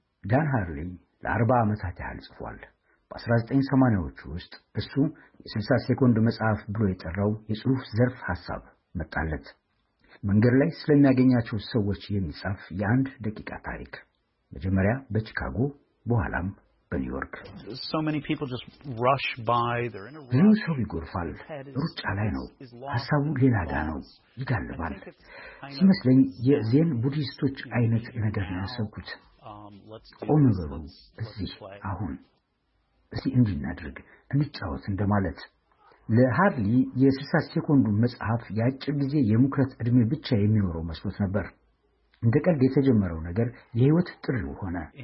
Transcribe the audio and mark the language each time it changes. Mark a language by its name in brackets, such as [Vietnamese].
[Amharic] ዳን ሃርሊ ለ40 ዓመታት ያህል ጽፏል። በ1980ዎቹ ውስጥ እሱ የ60 ሴኮንድ መጽሐፍ ብሎ የጠራው የጽሑፍ ዘርፍ ሐሳብ መጣለት። መንገድ ላይ ስለሚያገኛቸው ሰዎች የሚጻፍ የአንድ ደቂቃ ታሪክ። መጀመሪያ በቺካጎ በኋላም በኒውዮርክ። [English] So many people just rush by, they're in a rush. [Amharic] ሰው ይጎርፋል። ሩጫ ላይ ነው። ሐሳቡ ሌላ ጋ ነው። ይጋልባል። ሲመስለኝ የዜን ቡዲስቶች አይነት ነገር ነው ያሰብኩት። ቆም ብሎ እዚህ አሁን እዚህ እንድናድርግ እንጫወት እንደማለት። ለሃርሊ የ60 ሴኮንድ መጽሐፍ ያጭር ጊዜ የሙክረት እድሜ ብቻ የሚኖረው መስሎት ነበር። እንደ ቀልድ የተጀመረው ነገር የህይወት ጥሪ ሆነ።